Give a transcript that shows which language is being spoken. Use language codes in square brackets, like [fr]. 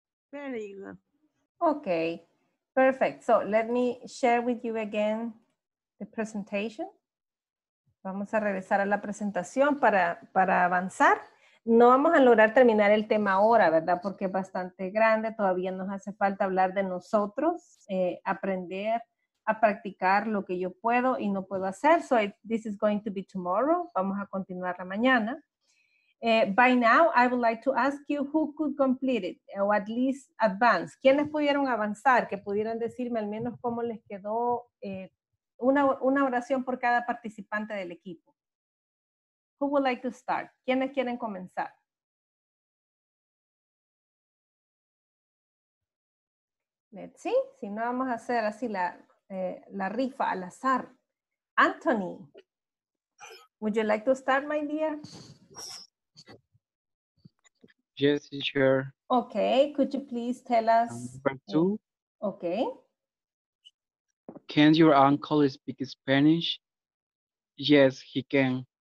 [en] Very good. Okay, perfect. So let me share with you again the presentation. [es] Vamos a regresar a la presentación para avanzar. No vamos a lograr terminar el tema ahora, ¿verdad? Porque es bastante grande. Todavía nos hace falta hablar de nosotros, aprender a practicar lo que yo puedo y no puedo hacer. [en] So this is going to be tomorrow. [es] Vamos a continuar la mañana. [en] By now, I would like to ask you who could complete it, or at least advance. [es] ¿Quiénes pudieron avanzar? Que pudieran decirme al menos cómo les quedó una oración por cada participante del equipo. [en] Who would like to start? [es] ¿Quiénes quieren comenzar? [en] Let's see. [es] Si no, vamos a hacer así la rifa al azar. [en] Anthony, would you like to start, my dear? Yes, sure. Okay, could you please tell us? Number two. Okay. Can your uncle speak Spanish? Yes, he can.